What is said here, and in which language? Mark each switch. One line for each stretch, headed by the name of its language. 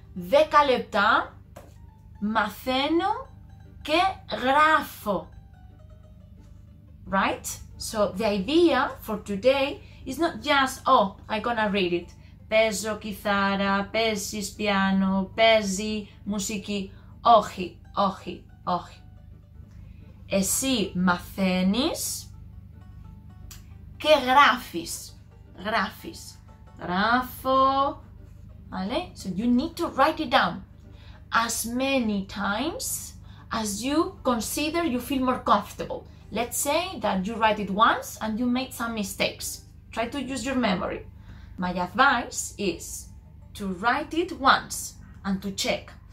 Greek: 10 λεπτά μαθαίνω και γράφω.
English: Right? So the idea for today is not just, oh, I'm gonna read it.
Greek: Παίζω κιθάρα, παίζεις πιάνο, παίζει μουσική. Όχι, όχι, όχι. Εσύ μαθαίνεις και γράφεις. Γράφεις. Γράφω. Vale?
English: So you need to write it down as many times as you consider you feel more comfortable. Let's say that you write it once and you made some mistakes. Try to use your memory. My advice is to write it once and to check.